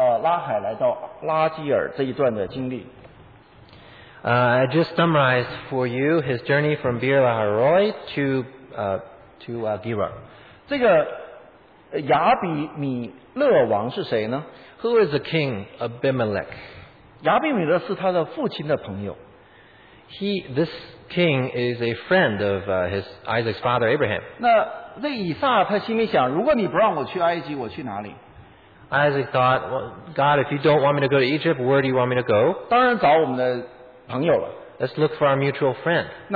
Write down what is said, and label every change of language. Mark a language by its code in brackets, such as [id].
[zh] 那刚刚我已经把第一个就是他从比尔拉海来到拉基尔这一段的经历。 [en] I just summarized for you his journey from Beer Laharoi to Gerar. [zh] 这个 亚比米勒王是谁呢? [en] Who is the king Abimelech? [zh] 亚比米勒是他的父亲的朋友。 [en] This king is a friend of Isaac's father Abraham. [zh] 那以撒他心里想, 如果你不让我去埃及, 我去哪里? [en] Isaac thought, well, God, if you don't want me to go to Egypt, where do you want me to go? [zh] 当然找我们的朋友了。 [en] Let's look for our mutual friend.